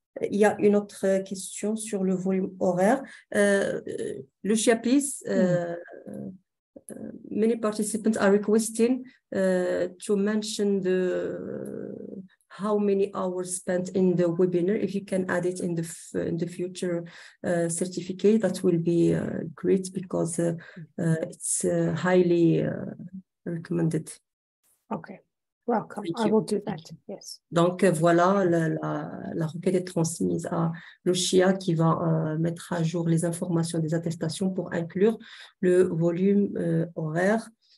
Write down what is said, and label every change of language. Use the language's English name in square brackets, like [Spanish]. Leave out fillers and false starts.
[French] Il y a une autre question sur le volume horaire. Le chapitre... [English] many participants are requesting to mention the how many hours spent in the webinar. If you can add it in the future certificate, that will be great because it's highly recommended. Okay, welcome. Thank I you. Will do Thank that. You. Yes. [French] Donc voilà, la requête est transmise à Lucia qui va mettre à jour les informations des attestations pour inclure le volume horaire.